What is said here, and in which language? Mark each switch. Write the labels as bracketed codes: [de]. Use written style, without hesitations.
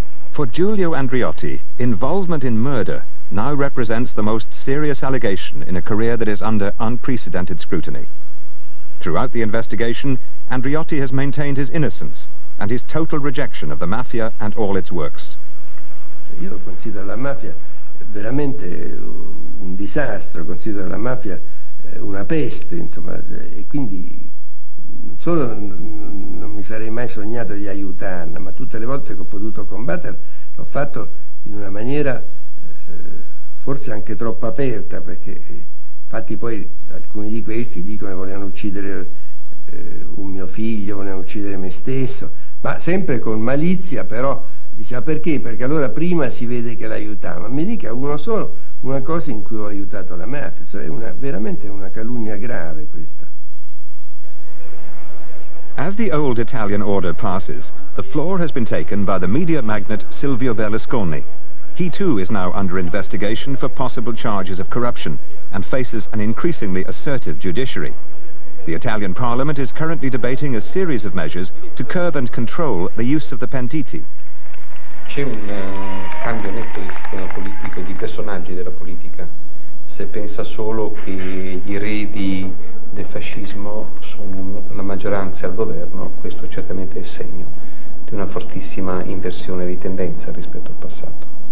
[en] For Giulio Andreotti, involvement in murder now represents the most serious allegation in a career that is under unprecedented scrutiny. Throughout the investigation, Andreotti has maintained his innocence and his total rejection of the mafia and all its works. [it] Io considero la mafia veramente un disastro, considero la mafia una peste, insomma, e quindi non solo non mi sarei mai sognato di aiutarla, ma tutte le volte che ho potuto combatterla l'ho fatto in una maniera forse anche troppo aperta, perché infatti poi alcuni di questi dicono che volevano uccidere un mio figlio, volevano uccidere me stesso. Ma sempre con malizia, però, diceva perché? Perché allora prima si vede che l'aiutava. Mi dica uno solo una cosa in cui ho aiutato la mafia. Cioè, è veramente una calunnia grave questa. [en] As the old Italian order passes, the floor has been taken by the media magnate Silvio Berlusconi. He too is now under investigation for possible charges of corruption and faces an increasingly assertive judiciary. The Italian Parliament is currently debating a series of measures to curb and control the use of the pentiti. [it] C'è c'è un cambio netto di sistema politico, di personaggi della politica, se pensa solo che gli eredi del fascismo sono la maggioranza al governo, questo certamente è segno di una fortissima inversione di tendenza rispetto al passato.